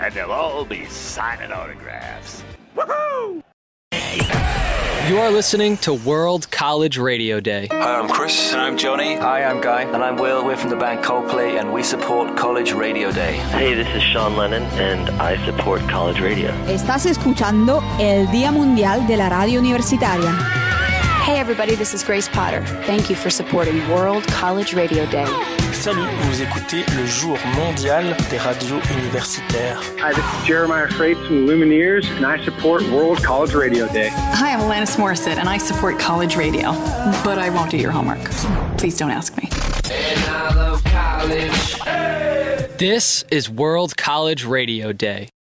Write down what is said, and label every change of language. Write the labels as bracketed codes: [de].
[en] And they'll all be signing autographs. Woohoo! You are listening to World College Radio Day. Hi, I'm Chris. And I'm Johnny. Hi, I'm Guy. And I'm Will. We're from the band Coldplay, and we support College Radio Day. Hey, this is Sean Lennon, and I support College Radio. [es] Estás escuchando el Día Mundial de la Radio Universitaria. [en] Hey, everybody, this is Grace Potter. Thank you for supporting World College Radio Day. [fr] Salut, vous écoutez le jour mondial des radios universitaires. [en] Hi, this is Jeremiah Freight from Lumineers, and I support World College Radio Day. Hi, I'm Alanis Morissette, and I support College Radio. But I won't do your homework. Please don't ask me. And I love college. Hey! This is World College Radio Day.